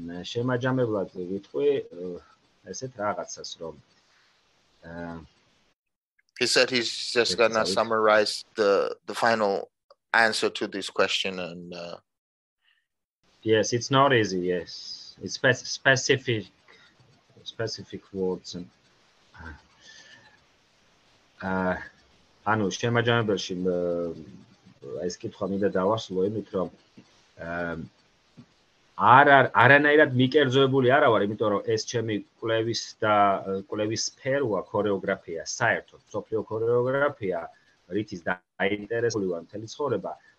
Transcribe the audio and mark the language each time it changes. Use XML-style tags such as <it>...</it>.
<ka>შემაჯამებლად ვიტყვი ესეთ რაღაცას, რომ</ka> <en>He said he's just going to summarize the final answer to this question and Yes, it's not easy, yes. It's specific words and</en> <ka>ანუ შემაჯამებელში ეს კითხვა მინდა დავასრულო იმით, რომ არანაირად მიკერძოებული არა ვარ, იმიტომ რომ ეს ჩემი კვლევის და კვლევის სფეროა, ქორეოგრაფია, საერთოდ სოფლიო ქორეოგრაფია, რითიც დაინტერესებული ვარ მთელი ცხოვრება.</ka>